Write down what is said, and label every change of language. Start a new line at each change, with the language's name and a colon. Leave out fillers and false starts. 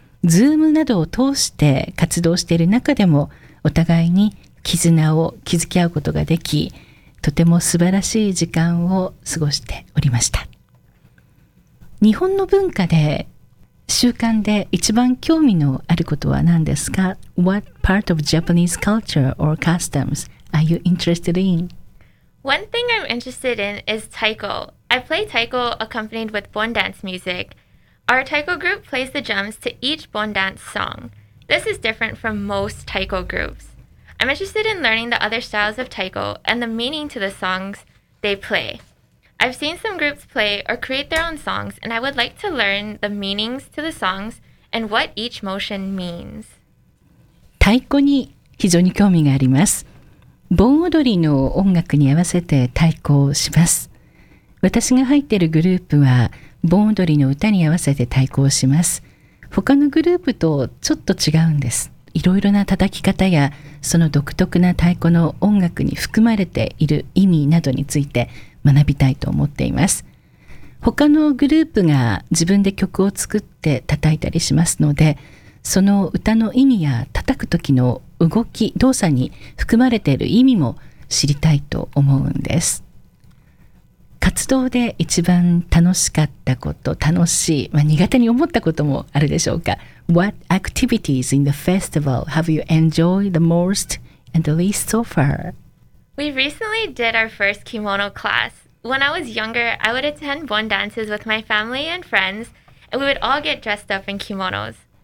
Japanese: Zoom などを通して活動している中でもお互いに絆を築き合うことができ、とても素晴らしい時間を過ごしておりました。日本の文化で習慣で一番興味のあることは何ですか?
English: What part of Japanese culture or customs are you interested in? One thing I'm interested in is taiko. I play taiko accompanied with bon dance music. Our taiko group plays the drums to each bon dance song. This is different from most taiko groups. I'm interested in learning the other styles of taiko and the meaning to the songs they play. I've seen some groups play or create their own songs, and I would like to learn the meanings to the songs and what each motion means.
Japanese: 太鼓に非常に興味があります。盆踊りの音楽に合わせて太鼓をします。私が入っているグループは盆踊りの歌に合わせて太鼓をします。他のグループとちょっと違うんです。いろいろな叩き方やその独特な太鼓の音楽に含まれている意味などについて学びたいと思っています。他のグループが自分で曲を作って叩いたりしますので、その歌の意味や叩く時の動き、動作に含まれている意味も知りたいと思うんです。活動で一番楽しかったこと、楽しい、まあ、苦手に思ったこともあるでしょうか。
English: What activities in the festival have you enjoyed the most and the least so far? We recently did our first kimono class. When I was younger, I would attend bon dances with my family and friends, and we would all get dressed up in kimonos.